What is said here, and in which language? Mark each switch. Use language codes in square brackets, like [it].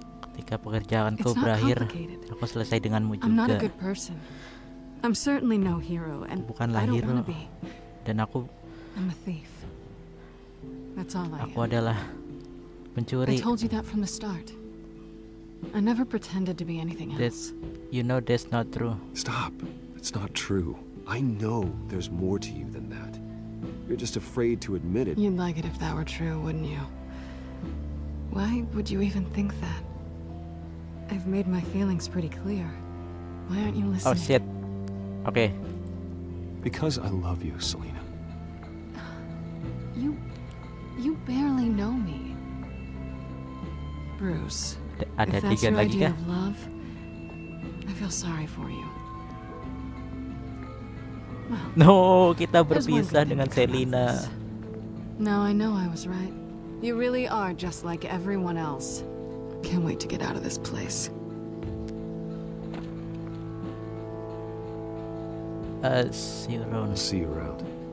[id] Ketika pekerjaanku berakhir, aku selesai denganmu juga. [en] I'm not a good person. I'm certainly no hero, and I don't want to be. [id] Dan aku, [en] I'm a thief. That's all I am. [id] Aku adalah pencuri. [en] I told you that from the start. I never pretended to be anything else. You know that's not true. Stop. It's not true. I know there's more to you than that. You're just afraid to admit it. You'd like it if that were true, wouldn't you? Why would you even think that? I've made my feelings pretty clear. Why aren't you listening? Oh, shit. Okay. Because I love you, Selina. You barely know me. Bruce. [id] Ada tiga lagi kah? [en] Love, I feel sorry for you. [id] No, kita berpisah dengan Selina. [en] Now I know I was right. You really are just like everyone else. Can't wait to get out of this place. See you around. See you around.